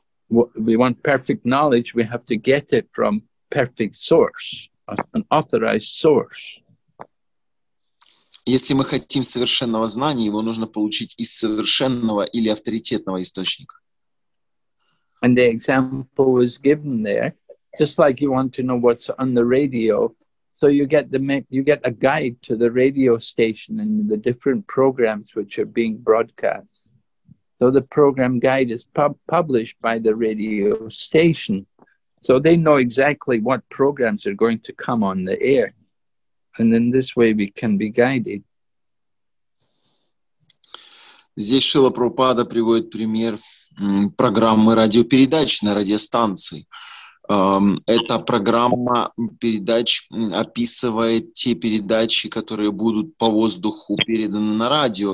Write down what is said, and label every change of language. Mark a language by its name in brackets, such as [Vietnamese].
[English] We want perfect knowledge, we have to get it from perfect source, an authorized source. [Russian] Если мы хотим совершенного знания, его нужно получить из совершенного или авторитетного источника. [English] And the example was given there, just like you want to know what's on the radio, so you get a guide to the radio station and the different programs which are being broadcast. So the program guide is published by the radio station. So they know exactly what programs are going to come on the air. And in this way we can be guided. [Russian] Здесь Шрила Прабхупада приводит пример программы радиопередач на радиостанции. Эта программа передач описывает те передачи, которые будут по воздуху переданы на радио.